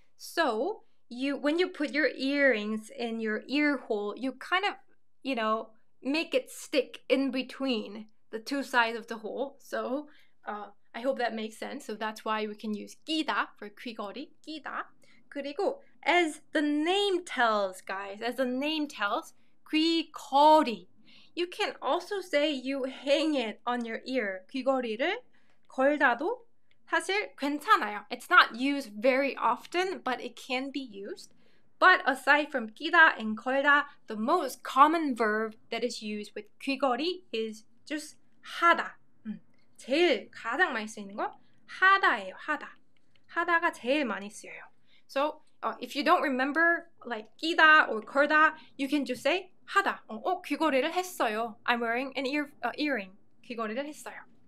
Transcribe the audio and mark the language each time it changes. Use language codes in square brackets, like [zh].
[en] So, when you put your earrings in your ear hole, you kind of, you know, make it stick in between the two sides of the hole. So, I hope that makes sense. So that's why we can use 끼다 for 귀걸이. [ko] 끼다. 그리고 [en] as the name tells, guys, as the name tells, 귀걸이. You can also say you hang it on your ear. [ko] 귀걸이를 걸다도 사실 괜찮아요. [en] It's not used very often, but it can be used. But aside from 끼다 and 걸다, the most common verb that is used with 귀걸이 is just 하다. [ko] 제일 가장 많이 쓰이는 거 하다예요. 하다. 하다가 제일 많이 쓰여요. [en] So if you don't remember like 끼다 or 걸다, you can just say 하다. [ko] 귀걸이를 했어요. [en] I'm wearing an earring. [ko] 귀걸이를 했어요.